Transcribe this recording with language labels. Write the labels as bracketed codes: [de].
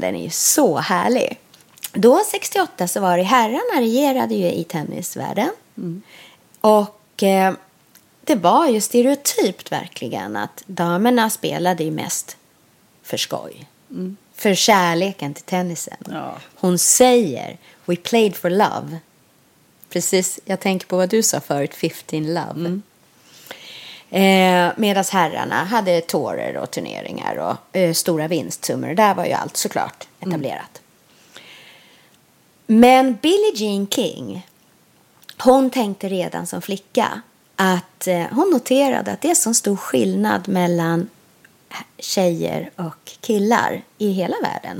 [sv] Den är ju så härlig. Då 68 så var det herrarna regerade ju i tennisvärlden. Mm. Och det var ju stereotypt verkligen att damerna spelade ju mest för skoj. Mm. För kärleken till tennisen. Ja. Hon säger, [en] "We played for love." [sv] Precis, jag tänker på vad du sa förut, 15 love. Mm. Medan herrarna hade tårer och turneringar och stora vinstsummor. Där var ju allt såklart etablerat. Mm. Men Billie Jean King, hon tänkte redan som flicka att hon noterade att det är så stor skillnad mellan tjejer och killar i hela världen.